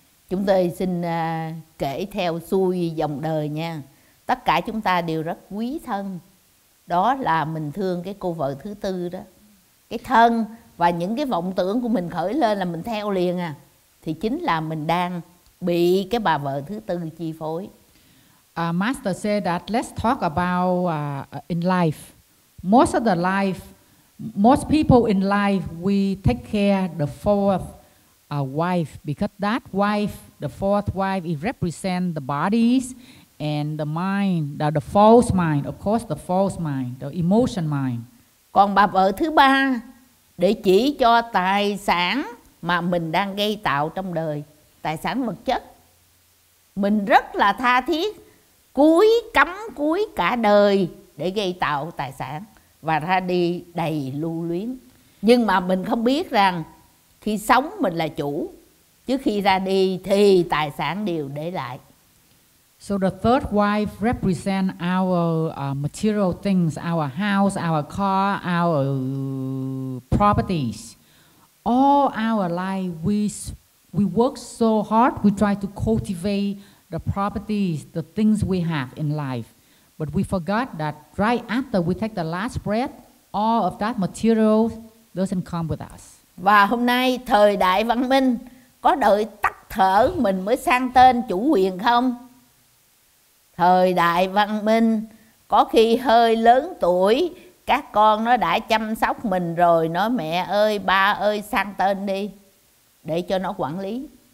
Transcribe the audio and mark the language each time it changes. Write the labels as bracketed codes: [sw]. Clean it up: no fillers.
[vi] Chúng tôi xin kể theo xuôi dòng đời nha. Tất cả chúng ta đều rất quý thân. Đó là mình thương cái cô vợ thứ tư đó. Cái thân và những cái vọng tưởng của mình khởi lên là mình theo liền à, thì chính là mình đang bị cái bà vợ thứ tư chi phối. [en] Master said that let's talk about in life. Most of the life, most people in life, we take care the fourth wife because that wife, the fourth wife, it represents the bodies and the mind, the false mind, of course the false mind, the emotion mind. [vi] Còn bà vợ thứ ba để chỉ cho tài sản mà mình đang gây tạo trong đời, tài sản vật chất. Mình rất là tha thiết, cúi cắm cúi cả đời để gây tạo tài sản và ra đi đầy lưu luyến. Nhưng mà mình không biết rằng khi sống mình là chủ, chứ khi ra đi thì tài sản đều để lại. [en] So the third wife represents our material things, our house, our car, our properties. All our life, we work so hard, we try to cultivate the properties, the things we have in life. But we forgot that right after we take the last breath, all of that material doesn't come with us. [vi] Và hôm nay, thời đại văn minh, có đợi tắt thở mình mới sang tên chủ quyền không? Thời đại văn minh, có khi hơi lớn tuổi, các con nó đã chăm sóc mình rồi, nói mẹ ơi, ba ơi, sang tên đi, để cho nó quản lý.